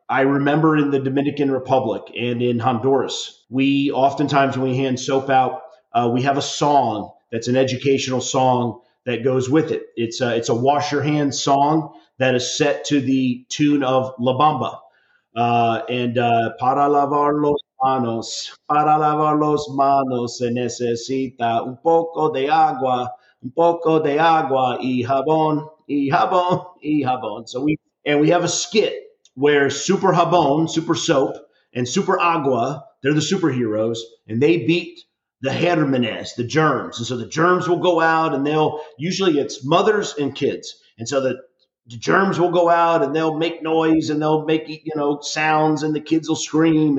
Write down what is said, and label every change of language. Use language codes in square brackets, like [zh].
[en] I remember in the Dominican Republic and in Honduras, we oftentimes when we hand soap out, we have a song that's an educational song that goes with it. It's a wash your hands song that is set to the tune of La Bamba. [es] Para lavar los manos, para lavar los manos, se necesita un poco de agua y jabón, y jabón, y jabón. [en] So we have a skit where Super Jabón, Super Soap, and Super Agua, they're the superheroes, and they beat the germines, the germs. And so the germs will go out and usually it's mothers and kids. And so the germs will go out and they'll make noise and they'll make, you know, sounds and the kids will scream.